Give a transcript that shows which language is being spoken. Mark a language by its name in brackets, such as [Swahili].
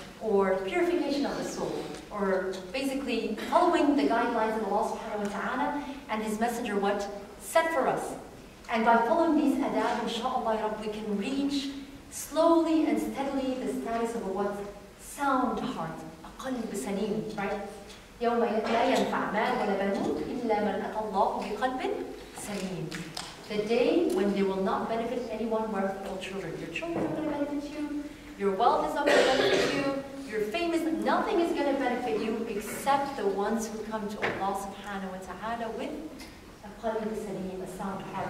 [English] Or purification of the soul. Or basically following the guidelines of Allah subhanahu wa ta'ala and His Messenger, what? Set for us. And by following these adab, inshaAllah, Rabb, we can reach slowly and steadily the status of a what? Sound heart. [Arabic] أقلب سليم, right? يوم لا ينفع مال ولا بنون إلا من أتى الله بقلب سليم. [English] The day when they will not benefit anyone but all children. Your children are going to benefit you. Your wealth is not going to benefit you. Your fame is nothing is going to benefit you except the ones who come to Allah subhanahu wa ta'ala with a qalb salim, a sound heart.